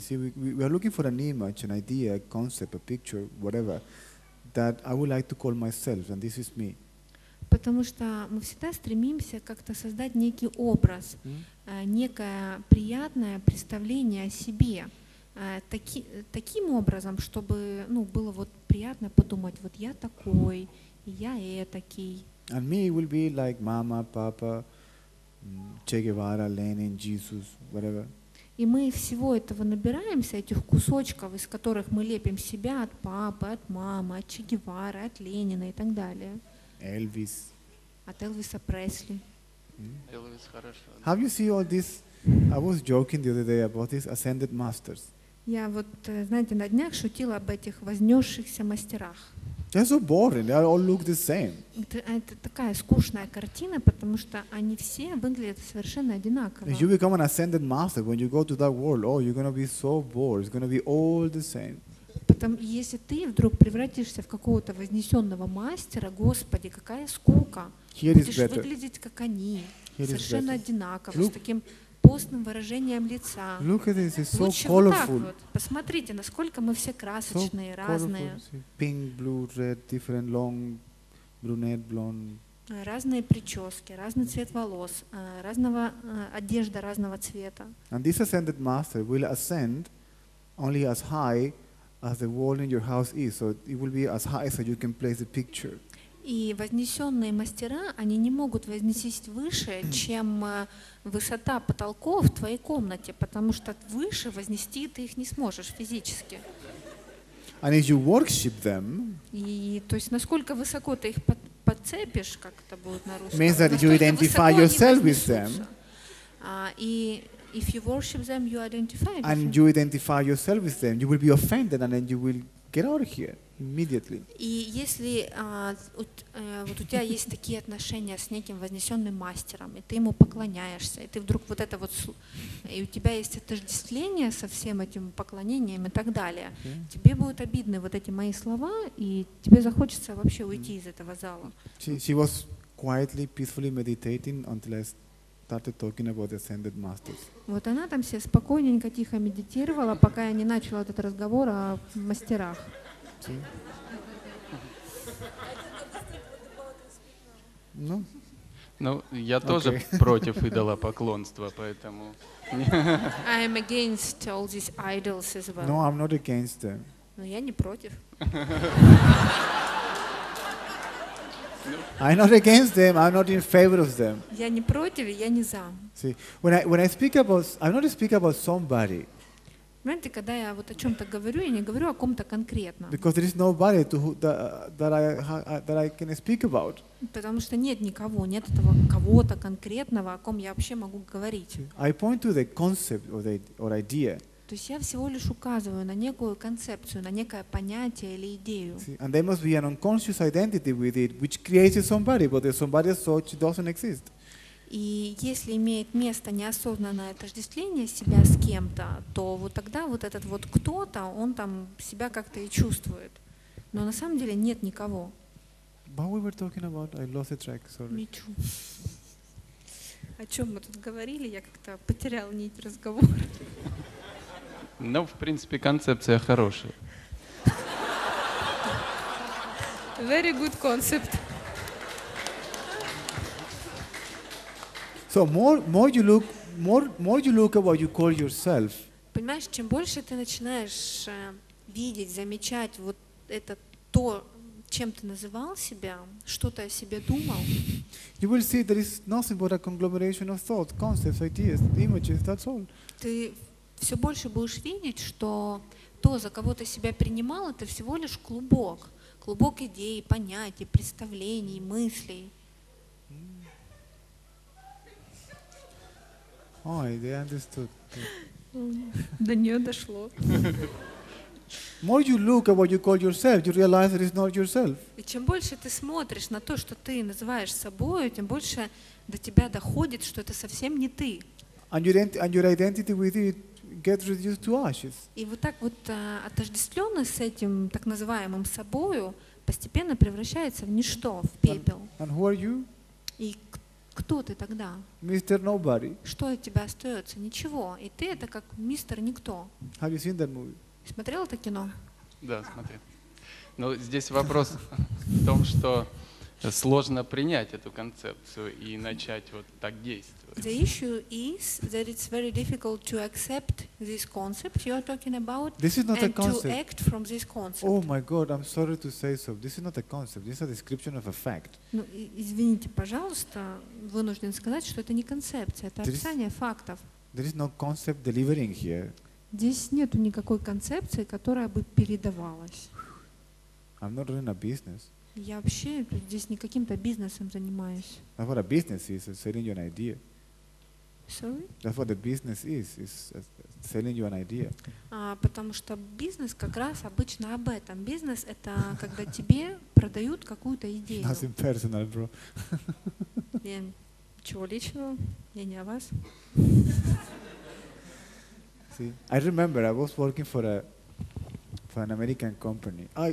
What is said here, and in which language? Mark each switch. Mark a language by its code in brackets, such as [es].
[en] See, we are looking for an image, an idea, a concept, a picture, whatever, that I would like to call myself, and this is me. [ru] Потому что мы всегда стремимся как-то создать некий образ, некое приятное представление о себе. Таким образом, чтобы, ну, было вот приятно подумать, вот я такой, я этакий. [en] And me will be like mama, papa, Che Guevara, Lenin, Jesus, whatever. [ru] И мы всего этого набираемся, этих кусочков, из которых мы лепим себя от папы, от мамы, от Че Гевары, от Ленина и так далее. [en] Elvis. [ru] От Элвиса Пресли. Elvis, хорошо. [en] Have you seen all this? I was joking the other day about these ascended masters. [ru] Я вот, знаете, на днях шутила об этих вознесшихся мастерах. [en] They're so boring. They all look the same. [ru] Это такая скучная картина, потому что они все выглядят совершенно одинаково. [en] You become an ascended master when you go to that world. Oh, you're gonna be so bored. It's gonna be all the same. [ru] Потом, если ты вдруг превратишься в какого-то вознесенного мастера, Господи, какая скука! [en] Here [ru] будешь выглядеть как они, [en] Here [ru] совершенно одинаково, [en] look. [ru] С таким постным выражением лица. [en] Look at this, it's so [ru] Лучше [en] colorful. [ru] Вот так вот. Посмотрите, насколько мы все красочные, [en] so [ru] разные. [en] Pink, blue, red, different, long, brunette, blonde. [ru] Разные прически, разный цвет волос, разного одежда разного цвета. [en] And this ascended master will ascend only as high as the wall in your house is, so it will be as high as you can place the picture. [ru] И вознесенные мастера, они не могут вознестись выше, чем высота потолков в твоей комнате, потому что выше вознести ты их не сможешь физически. [en] And if you worship them, [ru] и то есть насколько высоко ты их подцепишь, как это будет на русском, [en] means that you identify yourself with them. If you worship them, you identify with and them. You identify yourself with them, you will be offended and then you will get out of here immediately. [ru] И если вот у тебя есть такие отношения с неким вознесенным мастером, и ты ему поклоняешься, и ты вдруг вот это вот, и у тебя есть отождествление со всем этим поклонением и так далее, okay. Тебе будут обидны вот эти мои слова, и тебе захочется вообще уйти из этого зала. [en] She was quietly, peacefully meditating until I started talking about the ascended masters. [ru] Вот она там все спокойненько тихо медитировала, пока я не начала этот разговор о мастерах. [en] See? [ru] Ну, я тоже против идолопоклонства, поэтому... [en] I am against all these idols as well. No, I'm not against them. [ru] Но я не против. [en] I'm not against them. I'm not in favor of them. [ru] Я не против, я не за. [en] See, when I speak about, I'm not speak about somebody. [ru] Знаете, когда я вот о чем-то говорю, я не говорю о ком-то конкретно. [en] Because there is nobody to that I can speak about. [ru] Потому что нет никого, нет этого кого-то конкретного, о ком я вообще могу говорить. [en] I point to the concept or idea. [ru] То есть я всего лишь указываю на некую концепцию, на некое понятие или идею. [en] See, and there must be an unconscious identity with it, which creates somebody, but the somebody as such doesn't exist. [ru] И если имеет место неосознанное отождествление себя с кем-то, то вот тогда вот этот вот кто-то, он там себя как-то и чувствует. Но на самом деле нет никого. [en] But we were talking about, I lost the track, sorry. Me too. [ru] О чем мы тут говорили, я как-то потерял нить разговора. Ну, в принципе, концепция хорошая. [en] Very good concept. So more you look at what you call yourself. [ru] Понимаешь, чем больше ты начинаешь видеть, замечать вот это то, чем ты называл себя, что ты о себе думал. [en] You will see there is nothing but a conglomeration of thoughts, concepts, ideas, images. That's all. [ru] Ты все больше будешь видеть, что то, за кого ты себя принимал, это всего лишь клубок, клубок идей, понятий, представлений, мыслей. [en] Ой, they understood. [ru] До нее дошло. [en] More you look at what you call yourself, you realize it is not yourself. [ru] И чем больше ты смотришь на то, что ты называешь собой, тем больше до тебя доходит, что это совсем не ты. [en] And your identity with it gets reduced to ashes. [ru] И вот так вот отождествленность с этим так называемым собою постепенно превращается в ничто, в пепел. [en] And who are you? [ru] И кто ты тогда? [en] Mr. Nobody. [ru] Что от тебя остается? Ничего. И ты это как мистер никто. [en] Have you seen that movie? [ru] Смотрел это кино? Да, смотри. Но здесь вопрос в том, что сложно принять эту концепцию и начать вот так действовать. [en] The issue is that it's very difficult to accept this concept you're talking about. This is not a concept. And to act from this concept. Oh my God, I'm sorry to say so. This is not a concept. This is a description of a fact. [ru] Ну, извините, пожалуйста, вынужден сказать, что это не концепция, это описание фактов. [en] There is no concept delivering here. [ru] Здесь нету никакой концепции, которая бы передавалась. [en] I'm not running a business. [ru] Я вообще здесь не каким-то бизнесом занимаюсь. [en] That's what a business is, selling you an idea. Sorry? That's what the business is selling you an idea. [ru] Потому что бизнес как раз обычно об этом. Бизнес — это когда тебе продают какую-то идею. [en] Nothing personal, bro. [ru] Ничего личного, я не о вас. [en] See, I remember I was working for an American company.